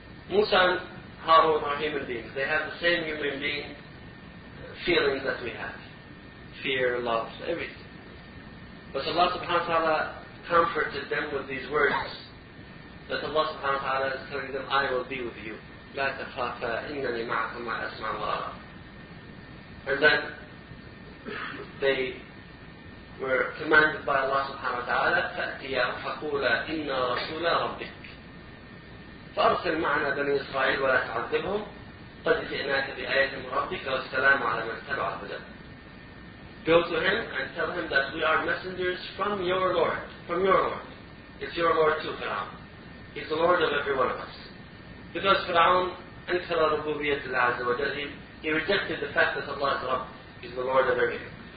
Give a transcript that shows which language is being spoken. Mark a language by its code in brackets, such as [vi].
[en] Musa and Harun are human beings. They have the same human being feelings that we have. Fear, love, everything. But Allah subhanahu wa ta'ala comforted them with these words. That Allah subhanahu wa ta'ala is telling them, I will be with you. [ar] لا تخافا إنني معكما أسمع وأرى. [en] And then they were commanded by Allah subhanahu wa ta'ala, [ar] فَأْتِيَا فَقُولَا إِنَّا رَسُولَا رَبِّكَ فَأَرْسِلْ مَعْنَا بَنِي إِسْرَائِيلَ وَلَا تَعَذِّبْهُمْ قَدْ جِئْنَاكَ بِآيَةٍ مِنْ رَبِّكَ وَالسَّلَامُ عَلَى مَنْ تَبَعَ الْهُدَى. [en] Go to him and tell him that we are messengers from your Lord. From your Lord. It's your Lord too, Fir'aun. He's the Lord of every one of us. Because Fir'aun, [ar] أَنْكَرَ رُبُوبِيَةِ الْعَزَ وَجَلِهِ, [en] he rejected the fact that Allah is Rabb. He's the Lord of everything.